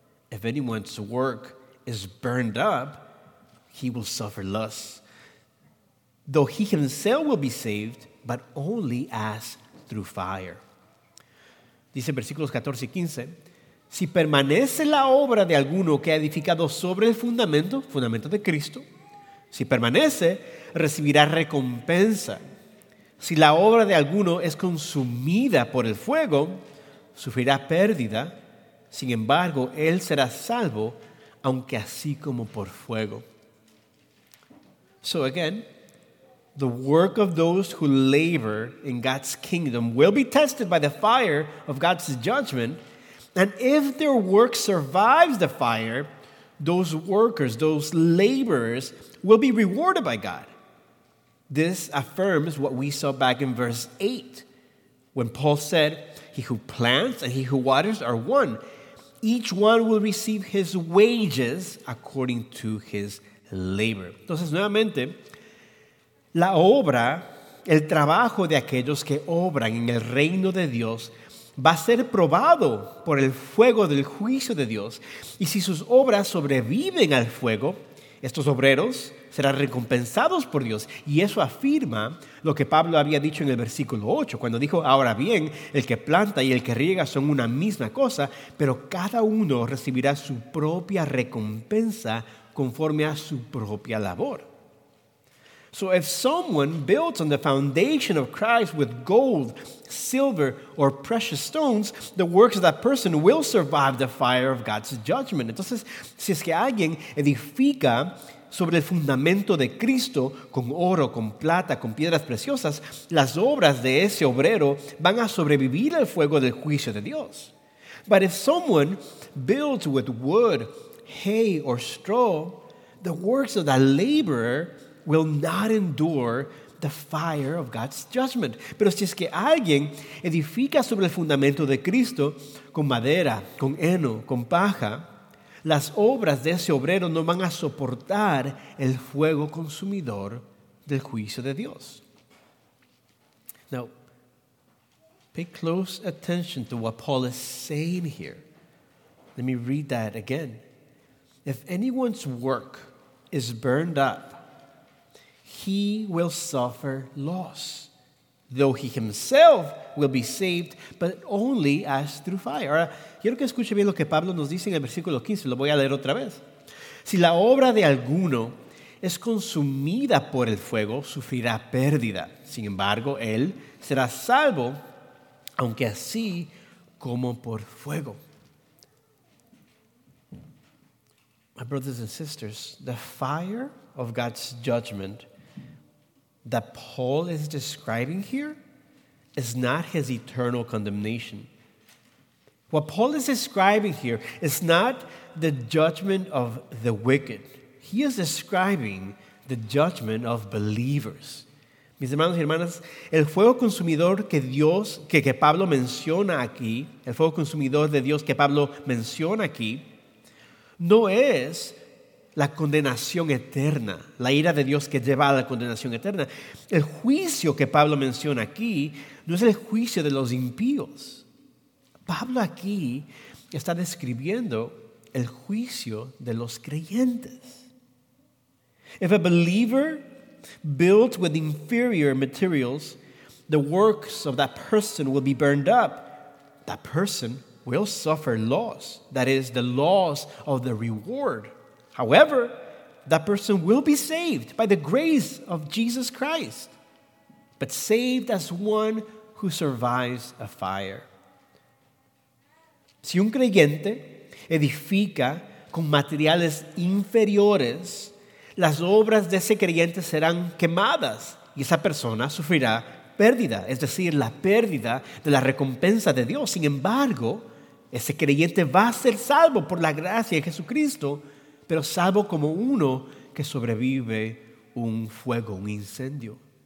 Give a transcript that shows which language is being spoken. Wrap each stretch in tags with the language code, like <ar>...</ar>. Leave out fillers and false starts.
<en>If anyone's work is burned up, he will suffer loss, though he himself will be saved, but only as through fire.</en> <es>Dice en versículos 14 y 15, si permanece la obra de alguno que ha edificado sobre el fundamento, fundamento de Cristo, si permanece, recibirá recompensa. Si la obra de alguno es consumida por el fuego, sufrirá pérdida. Sin embargo, él será salvo, aunque así como por fuego.</es> <en>So again, the work of those who labor in God's kingdom will be tested by the fire of God's judgment. And if their work survives the fire, those workers, those laborers, will be rewarded by God. This affirms what we saw back in verse 8, when Paul said, he who plants and he who waters are one. Each one will receive his wages according to his labor.</en> <es>Entonces, nuevamente, la obra, el trabajo de aquellos que obran en el reino de Dios va a ser probado por el fuego del juicio de Dios. Y si sus obras sobreviven al fuego, estos obreros serán recompensados por Dios. Y eso afirma lo que Pablo había dicho en el versículo 8, cuando dijo, ahora bien, el que planta y el que riega son una misma cosa, pero cada uno recibirá su propia recompensa conforme a su propia labor.</es> <en>So if someone builds on the foundation of Christ with gold, silver, or precious stones, the works of that person will survive the fire of God's judgment.</en> <es>Entonces, si es que alguien edifica sobre el fundamento de Cristo con oro, con plata, con piedras preciosas, las obras de ese obrero van a sobrevivir al fuego del juicio de Dios.</es> <en>But if someone builds with wood, hay, or straw, the works of that laborer will not endure the fire of God's judgment.</en> <es>Pero si es que alguien edifica sobre el fundamento de Cristo con madera, con heno, con paja, las obras de ese obrero no van a soportar el fuego consumidor del juicio de Dios.</es> <en>Now, pay close attention to what Paul is saying here. Let me read that again. If anyone's work is burned up, he will suffer loss, though he himself will be saved, but only as through fire.</en> <es>Ahora, quiero que escuche bien lo que Pablo nos dice en el versículo 15. Lo voy a leer otra vez. Si la obra de alguno es consumida por el fuego, sufrirá pérdida. Sin embargo, él será salvo, aunque así como por fuego.</es> <en>My brothers and sisters, the fire of God's judgment that Paul is describing here is not his eternal condemnation. What Paul is describing here is not the judgment of the wicked. He is describing the judgment of believers.</en> <es>Mis hermanos y hermanas, el fuego consumidor que Dios, que Pablo menciona aquí, el fuego consumidor de Dios que Pablo menciona aquí, no es la condenación eterna, la ira de Dios que lleva a la condenación eterna. El juicio que Pablo menciona aquí no es el juicio de los impíos. Pablo aquí está describiendo el juicio de los creyentes.</es> <en>If a believer built with inferior materials, the works of that person will be burned up. That person will suffer loss, that is, the loss of the reward. However, that person will be saved by the grace of Jesus Christ, but saved as one who survives a fire.</en> <es>Si un creyente edifica con materiales inferiores, las obras de ese creyente serán quemadas y esa persona sufrirá pérdida, es decir, la pérdida de la recompensa de Dios. Sin embargo, ese creyente va a ser salvo por la gracia de Jesucristo, pero salvo como uno que sobrevive un fuego, un incendio.</es>